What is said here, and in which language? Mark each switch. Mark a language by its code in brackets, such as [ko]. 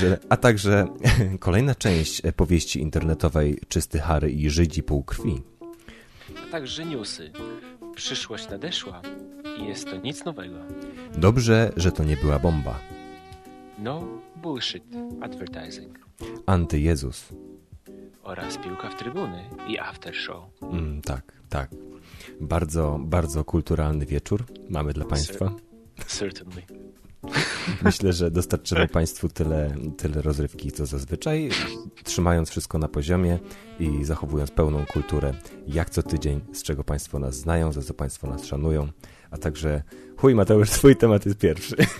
[pl] A także kolejna część powieści internetowej Czysty Harry i Żydzi pół krwi. A także newsy. Przyszłość nadeszła i jest to nic nowego. Dobrze, że to nie była bomba. [en] No bullshit advertising. [pl] Antyjezus. Oraz piłka w trybuny i aftershow. Tak. Bardzo, bardzo kulturalny wieczór mamy dla Państwa. [en] Certainly. [pl] Myślę, że dostarczymy Państwu tyle rozrywki, co zazwyczaj, trzymając wszystko na poziomie i zachowując pełną kulturę, jak co tydzień, z czego Państwo nas znają, za co Państwo nas szanują, a także chuj Mateusz, swój temat jest pierwszy.